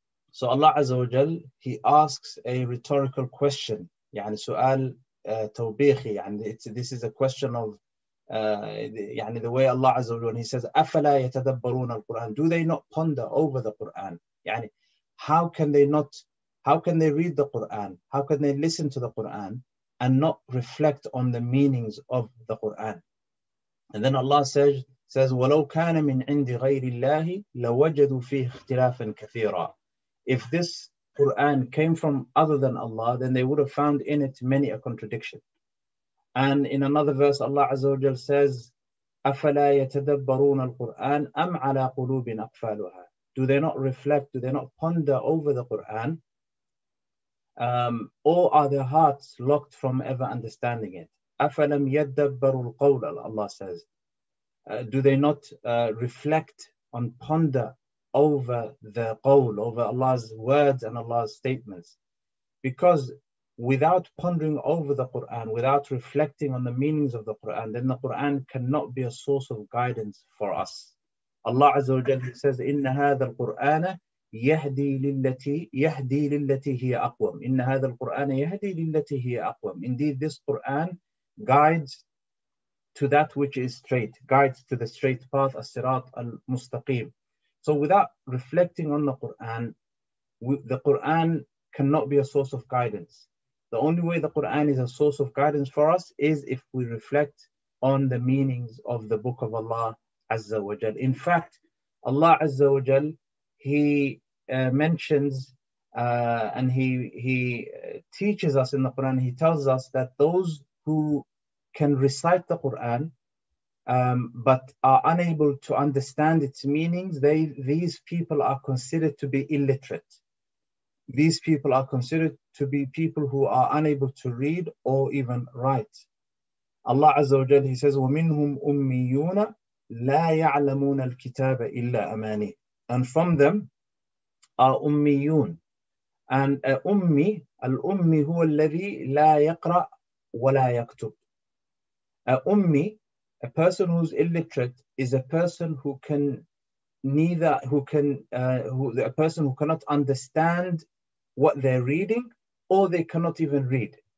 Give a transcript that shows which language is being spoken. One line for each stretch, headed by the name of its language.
English: So Allah Azza wa Jal, He asks a rhetorical question,
Arabic: يعني سؤال توبيخي,
English: and this is a question of يعني the way Allah Azza wa Jal, He says,
Arabic: أَفَلَا يَتَدَبَّرُونَ الْقُرْآنِ,
English: do they not ponder over the Qur'an? يعني how can they read the Qur'an? How can they listen to the Qur'an and not reflect on the meanings of the Qur'an? And then Allah says,
Arabic: وَلَوْ كَانَ مِنْ عِنْدِ غَيْرِ اللَّهِ لَوَجَدُوا فِيهِ اخْتِلَافًا كَثِيرًا.
English: If this Qur'an came from other than Allah, then they would have found in it many a contradiction. And in another verse, Allah Azza wa Jal says,
Arabic: أَفَلَا يَتَدَبَّرُونَ الْقُرْآنَ أَمْ عَلَىٰ قُلُوبٍ أَقْفَالُهَا.
English: Do they not reflect, do they not ponder over the Qur'an? Or are their hearts locked from ever understanding it?
Arabic: أَفَلَمْ يَدَّبَّرُوا الْقَوْلَ,
English: Allah says. Do they not reflect and ponder over the qawl, over Allah's words and Allah's statements? Because without pondering over the Qur'an, without reflecting on the meanings of the Qur'an, then the Qur'an cannot be a source of guidance for us. Allah Azza wa Jalla says,
Arabic: إِنَّ هَذَا الْقُرْآنَ يهدي للتي يهدي للتي هي أقوم. إن هذا القرآن يهدي للتي هي أقوم.
English: Indeed, this Quran guides to that which is straight, guides to the straight path, as-sirat al-mustaqim. So without reflecting on the Quran, the Quran cannot be a source of guidance. The only way the Quran is a source of guidance for us is if we reflect on the meanings of the book of Allah Azza wa Jal. In fact, Allah Azza wa Jal, He mentions and he teaches us in the Quran, He tells us that those who can recite the Quran but are unable to understand its meanings, these people are considered to be illiterate. These people are considered to be people who are unable to read or even write. Allah Azza wa Jalla, He says,
Arabic: وَمِنْهُمْ أُمِّيُّونَ لَا يَعْلَمُونَ الْكِتَابَ إِلَّا أَمَانِي.
English: And from them are
Arabic: أُمِّيُّون. And أُمِّي, الْأُمِّي هُوَ الَّذِي لَا يَقْرَأْ وَلَا يَكْتُبْ.
English: أُمِّي, a person who's illiterate, is a person who can neither, who can, who, a person who cannot understand what they're reading, or they cannot even read.